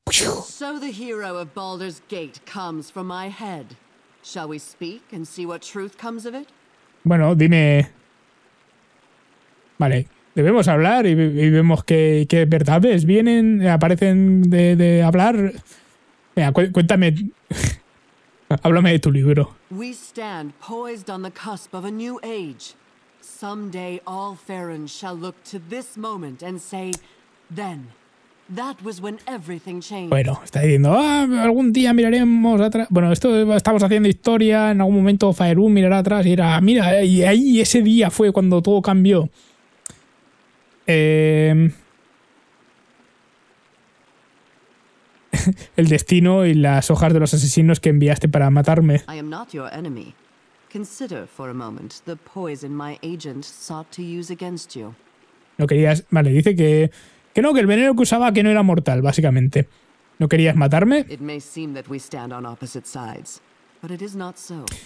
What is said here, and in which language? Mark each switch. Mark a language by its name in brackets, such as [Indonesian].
[English] So the hero of Baldur's Gate comes from my head. Shall we speak and see what truth comes of it? [Spanish] Bueno, dime. Vale, debemos hablar y vemos qué verdades vienen, aparecen de hablar. Mira, cuéntame. Háblame de tu libro. [English] We stand poised on the cusp of a new age. Someday all Faerun shall look to this moment and say, then. That was when everything changed. [Spanish] Bueno, está diciendo, algún día miraremos atrás. Bueno, esto estamos haciendo historia. En algún momento Faerun mirará atrás y dirá, mira, y ahí ese día fue cuando todo cambió. El destino y las hojas de los asesinos que enviaste para matarme. [English] I am not your enemy. Consider for a moment the poison my agent sought to use against you. [Spanish] No querías. Vale, dice que no, que el veneno que usaba que no era mortal, básicamente. ¿No querías matarme? [English] It may seem that we stand on opposite sides, but it is not so.